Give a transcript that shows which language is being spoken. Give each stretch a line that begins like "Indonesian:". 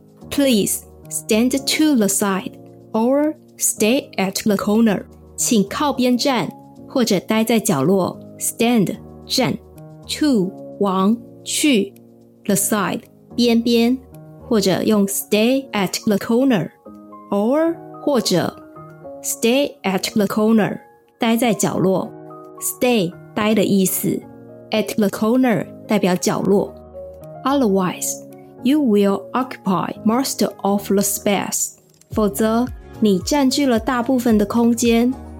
English: Please stand to the side or stay at the corner.
Chinese: 请靠边站或者待在角落。
English: Stand,
Chinese: 站
English: to,
Chinese: 往去
English: the side,
Chinese: 边边或者用
English: stay at the corner or
Chinese: 或者
English: stay at the corner.
Chinese: 待在角落 ，stay 待的意思 ，
English: at the corner
Chinese: 代表角落。
English: Otherwise, you will occupy most of the space.
Chinese: 否则，你占据了大部分的空间。